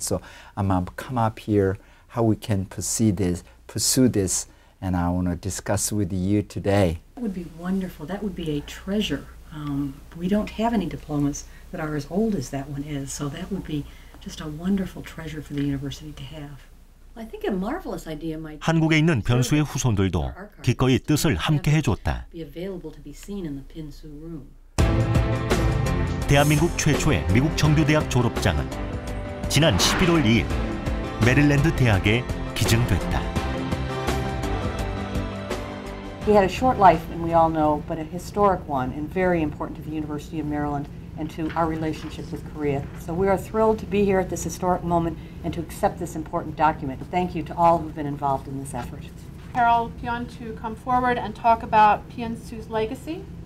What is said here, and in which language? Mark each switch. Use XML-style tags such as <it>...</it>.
<en>So I'm going to come up here, how we can pursue this, and I want to discuss with you today. That would be wonderful. That would be a treasure. We don't have any diplomas that are as old as that one is, so that would be just a wonderful treasure for the university to have. I think a marvelous idea might</en> <ko>한국에 있는 변수의 후손들도 기꺼이 뜻을 함께 해줬다.</ko> <en>Be available to be seen in the Pyeongsu room.</en> <ko>대한민국 최초의 미국 정규대학 졸업장은 지난 11월 2일 메릴랜드 대학에 기증됐다.</ko> <en>He had a short life, and we all know, but a historic one, and very important to the University of Maryland and to our relationship with Korea. So we are thrilled to be here at this historic moment and to accept this important document. Thank you to all who have been involved in this effort. Harold Pyeon to come forward and talk about Pyeongsu's legacy.</en>